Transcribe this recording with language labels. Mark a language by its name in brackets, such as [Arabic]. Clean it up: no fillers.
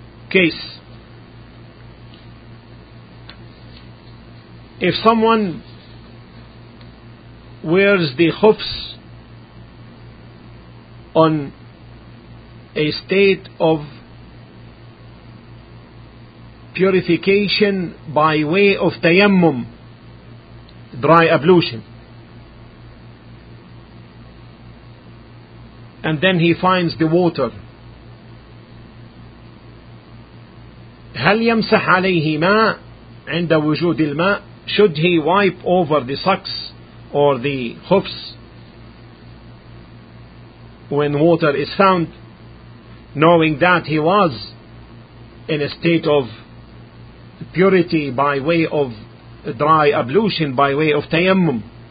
[English] Case: if someone wears the khufs on a state of purification by way of tayammum, dry ablution, and then he finds the water. [Arabic] هل يمسح عليه ماء عند وجود الماء? [English] Should he wipe over the socks or the hoofs when water is found, knowing that he was in a state of purity by way of dry ablution, by way of tayammum?